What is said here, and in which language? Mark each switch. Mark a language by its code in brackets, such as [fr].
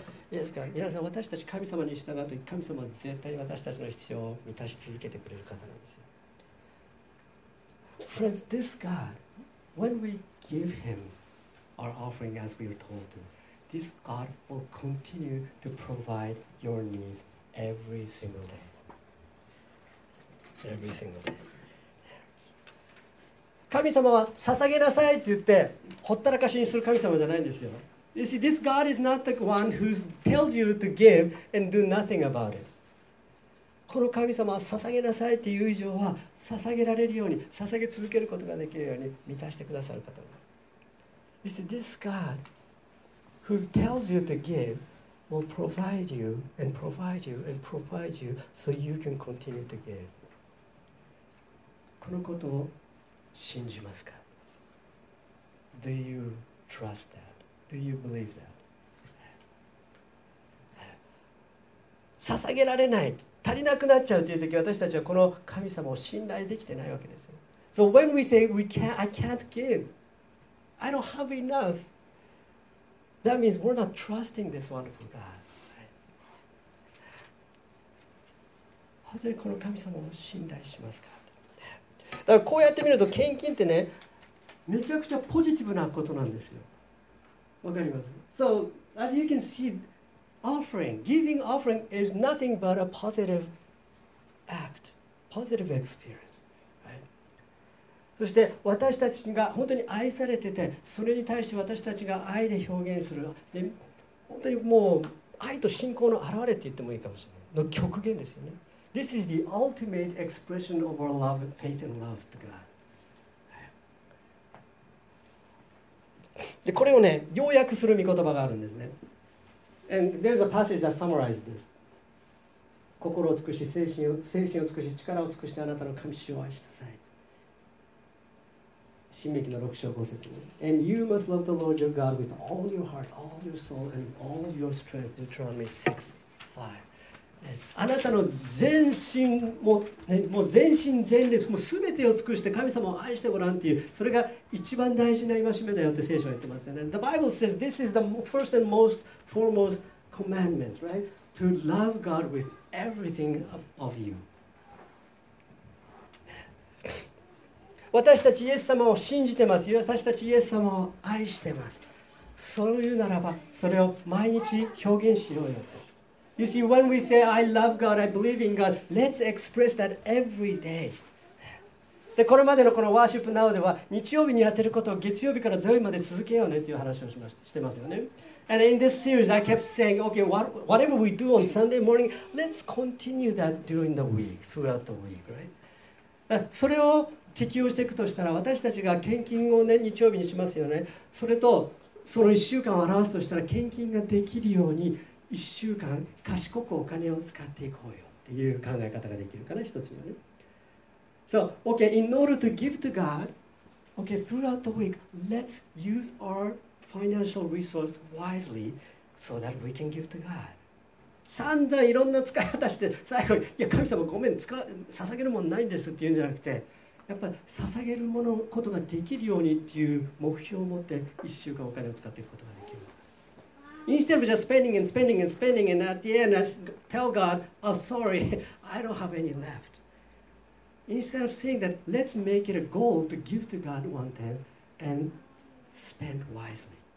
[ja] ですから皆さん私たち神様に従うと神様は絶対私たちの必要を満たし続けてくれる方なんですよ。 [en] Friends, this God, when we give Him our offering as we are told to, this God will continue to provide your needs every single day. Every single day. [ja] 神様は捧げなさいって言ってほったらかしにする神様じゃないんですよ。 [en] You see, this God is not the one who tells you to give and do nothing about it. [ja] この神様は捧げなさいという以上は捧げられるように、捧げ続けることができるように満たしてくださる方。 [en] You see, this God who tells you to give will provide you and provide you and provide you so you can continue to give. [ja] このことを信じますか? [en] Do you trust that? Do you believe that? [ja] 捧げられない、足りなくなっちゃうという時、私たちはこの神様を信頼できてないわけですよ。 [en] So when we say we can't, I can't give, I don't have enough, that means we're not trusting this wonderful God. [ja] 本当にこの神様を信頼しますか?だからこうやってみると献金ってね、めちゃくちゃポジティブなことなんですよ。わかります。 [en] So as you can see, offering, giving offering is nothing but a positive act, positive experience, right? [ja] そして私たちが本当に愛されてて、それに対して私たちが愛で表現する、で本当にもう愛と信仰の表れって言ってもいいかもしれない。の極限ですよね。 [en] This is the ultimate expression of our love, faith and love to God. [ja] でこれをね、要約する御言葉があるんですね。 [en] And there's a passage that summarizes this. [ja] 心を尽くし、精神を尽くし、力を尽くしてあなたの神主を愛しなさい。申命記の6章5節に。 [en] And you must love the Lord your God with all your heart, all your soul, and all your strength. Deuteronomy 6, 5. [ja] あなたの全身も、ね、もう全身全霊、もう全てを尽くして神様を愛してごらんっていう、それが一番大事な戒めだよって聖書は言ってますよね。 [en] The Bible says this is the first and most foremost commandment, right? To love God with everything of you. [ja] 私たちイエス様を信じてます。私たちイエス様を愛してます。そういうならば、それを毎日表現しようよ。 [en] You see, when we say, I love God, I believe in God, let's express that every day. [ja] で、これまでのこの Worship Now では、日曜日にやってることを月曜日から土曜日まで続けようねっていう話をしてますよね。 [en] And in this series, I kept saying, okay, whatever we do on Sunday morning, let's continue that during the week, throughout the week, right? [ja] それを適用していくとしたら、私たちが献金をね、日曜日にしますよね。それと、その1週間を表すとしたら、献金ができるように、1週間賢くお金を使っていこうよっていう考え方ができるかな、一つ目ね。 [en] So, okay, in order to give to God, Okay, throughout the week, let's use our financial resource wisely so that we can give to God. [ja] 散々いろんな使い方して最後に、いや神様ごめん使う捧げるものないんですって言うんじゃなくて、やっぱ捧げるものことができるようにっていう目標を持って一週間お金を使っていくことができる。 [en] Instead of just spending and spending and spending and at the end I tell God, oh sorry, I don't have any left. Instead of saying that, let's make it a goal to give to God one tenth and spend wisely.